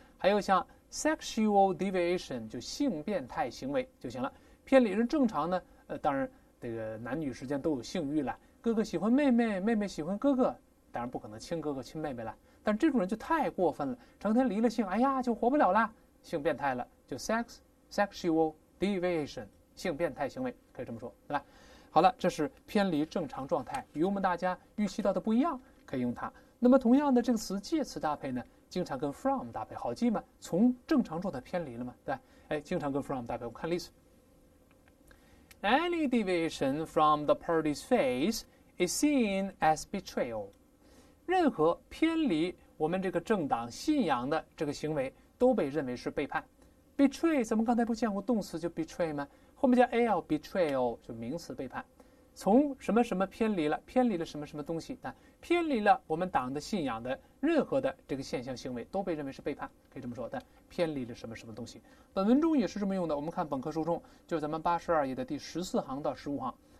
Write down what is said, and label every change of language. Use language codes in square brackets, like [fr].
[zh] 还有像 sexual deviation 就性变态行为就行了，偏离人正常呢，当然这个男女之间都有性欲了，哥哥喜欢妹妹，妹妹喜欢哥哥，当然不可能亲哥哥亲妹妹了，但这种人就太过分了，成天离了性，哎呀就活不了了，性变态了，就 sexual deviation 性变态行为可以这么说，对吧？好了，这是偏离正常状态，与我们大家预期到的不一样，可以用它。那么，同样的这个词介词搭配呢，经常跟 from 搭配，好记吗？从正常状态偏离了嘛，对，哎，经常跟 from 搭配。 [en] 我看例子：Any deviation from the party's face is seen as betrayal。 [zh] 任何偏离我们这个政党信仰的这个行为，都被认为是背叛。 Betray，咱们刚才不见过动词就 betray 吗？后面加 l betrayal 就名词背叛，从什么什么偏离了，偏离了什么什么东西，那偏离了我们党的信仰的任何的这个现象行为都被认为是背叛，可以这么说，但偏离了什么什么东西，本文中也是这么用的。我们看本科书中，就是咱们82页的第14行到15行